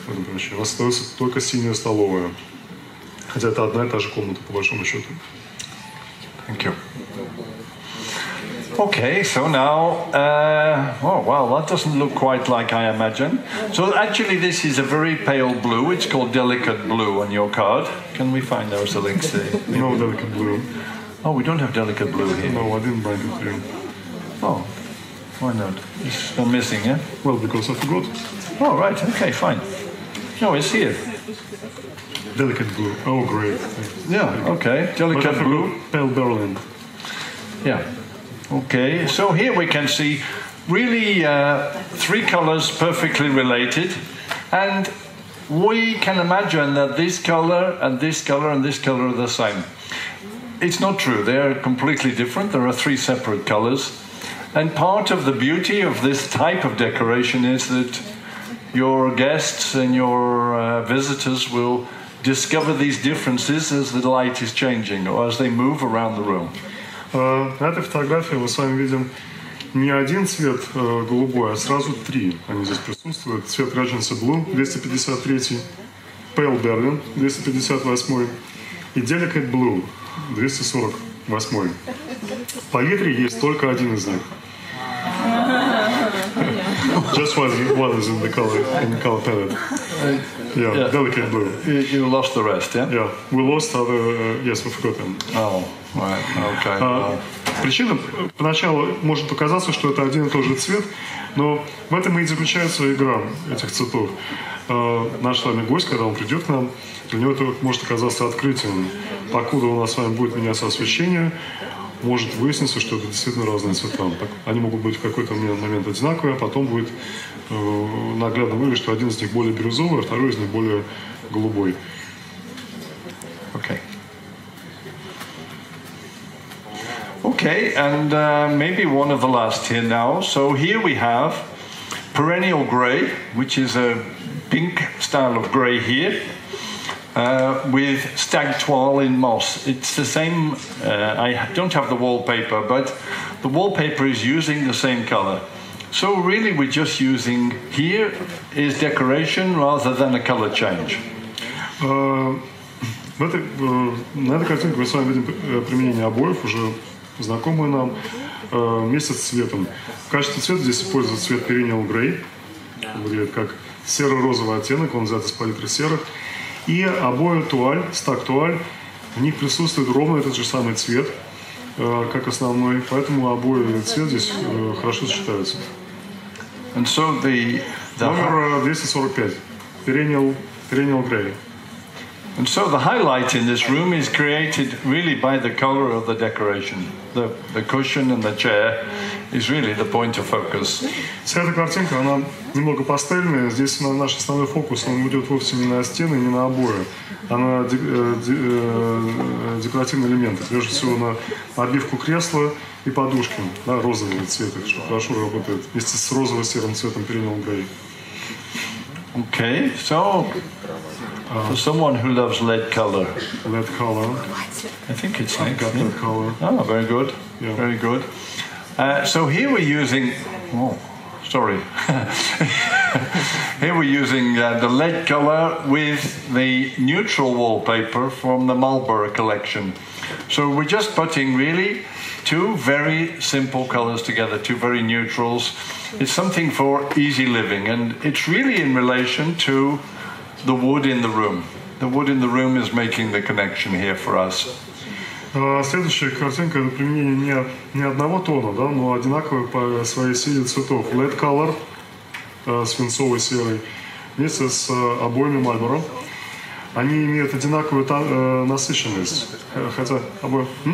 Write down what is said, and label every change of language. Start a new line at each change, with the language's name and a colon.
Russian: Например, остается только синяя столовая. Хотя это одна и та же комната, по большому счету.
English: Thank you. Okay, so now, that doesn't look quite like I imagine. So actually, this is a very pale blue. It's called delicate blue on your card. Can we find those, Alexei? No delicate blue. Oh, we don't have delicate blue here. No, I didn't bring it here. Oh, why not? It's still missing, yeah? Well, because I forgot. Oh, right, okay, fine. No, it's here. Delicate blue. Oh, great. Yeah, okay. Delicate blue. Pale Berlin. Yeah. Okay, so here we can see really three colors perfectly related, and we can imagine that this color and this color and this color are the same. It's not true, they are completely different. There are three separate colors, and part of the beauty of this type of decoration is that your guests and your visitors will discover these differences as the light is changing or as they move around the room.
Russian: На этой фотографии мы с вами видим не один цвет голубой, а сразу три. Они здесь присутствуют. Цвет Regency Blue 253, Pale Berlin 258 и Delicate Blue 248. В палитре есть только один из них.
English: Just one is in the color, palette. Yeah, yeah, Delicate Blue. You lost the rest, yeah? Yeah, we lost other, yes, we forgot them. Oh. Right. Okay.
Russian: Причина, поначалу может показаться, что это один и тот же цвет, но в этом и заключается игра этих цветов. Наш с вами гость, когда он придет к нам, для него это может оказаться открытием. Покуда у нас с вами будет меняться освещение, может выясниться, что это действительно разные цвета. Так, они могут быть в какой-то момент одинаковые, а потом будет наглядно выявлено, что один из них более бирюзовый, а второй из них более голубой.
English: Okay. Okay, and maybe one of the last here now. So here we have perennial gray, which is a pink style of gray here. With stag toile in moss. It's the same, I don't have the wallpaper, but the wallpaper is using the same color. So really we're just using here is decoration rather than a color change.
Russian: На этой картинке мы с вами видим применение обоев, уже знакомые нам, вместе с цветом. В качестве цвета здесь используется цвет perennial gray, как серо-розовый оттенок, он взят из палитры серых. И обои туаль, стак туаль, в них присутствует ровно этот же самый цвет, как основной, поэтому обои и цвет здесь хорошо сочетаются.
English: And so the
Russian: номер 245, perennial gray.
English: And so the highlight in this room is created really by the color of the decoration. The cushion and the chair is really the point of focus.
Russian: Вся эта картинка, она немного пастельная. Здесь наш основной фокус, он идет вовсе не на стены, не на обои, а на декоративные элементы. Прежде всего на обивку кресла и подушки, да, розового цвета, что хорошо работает вместе с розово-серым цветом перенял грей.
English: Okay, so for someone who loves lead color, I think it's nice. Got lead color. Oh, very good, yeah. Very good. So here we're using, here we're using the lead color with the neutral wallpaper from the Marlborough collection. So we're just putting really two very simple colors together, two very neutrals. It's something for easy living, and it's really in relation to the wood in the room. The wood in the room is making the connection here for us.
Russian: Следующая картинка — это применение не одного тона, да, но одинаковой по своей силе цветов. Lead color, свинцовый серый, вместе с обоями Marlboro. Они имеют одинаковую насыщенность, хотя обои...